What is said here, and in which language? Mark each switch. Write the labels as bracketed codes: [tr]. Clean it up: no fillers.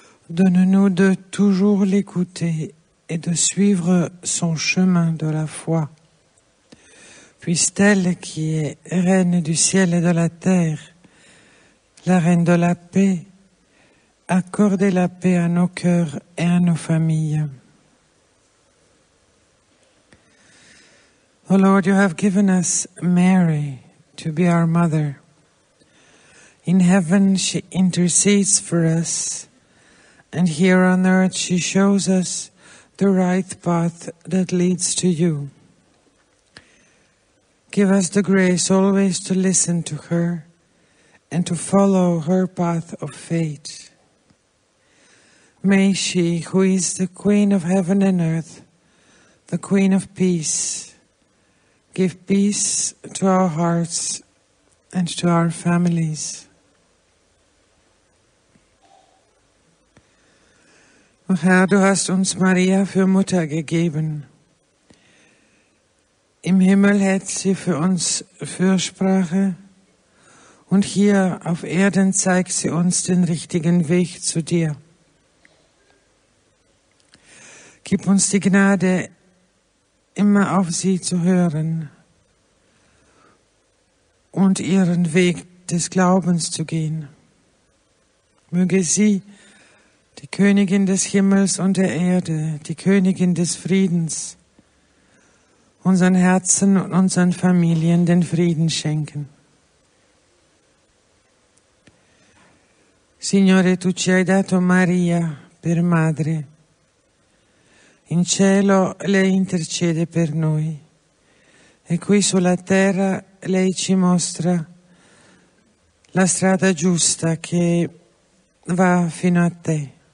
[fr] Donne-nous de toujours l'écouter et de suivre son chemin de la foi. Puisse-t-elle, qui est reine du ciel et de la terre, la reine de la paix, accorder la paix à nos cœurs et à nos familles. [en] O Lord, you have given us Mary to be our mother. In heaven she intercedes for us, and here on earth she shows us the right path that leads to you. Give us the grace always to listen to her and to follow her path of faith. May she, who is the Queen of heaven and earth, the Queen of peace, give peace to our hearts and to our families. [de] O Herr, du hast uns Maria für Mutter gegeben. Im Himmel hält sie für uns Fürsprache und hier auf Erden zeigt sie uns den richtigen Weg zu dir. Gib uns die Gnade, immer auf sie zu hören und ihren Weg des Glaubens zu gehen. Möge sie, die Königin des Himmels und der Erde, die Königin des Friedens, unseren Herzen und unseren Familien den Frieden schenken. [it] Signore, tu ci hai dato Maria per madre. In cielo lei intercede per noi. E qui sulla terra lei ci mostra la strada giusta che va fino a te.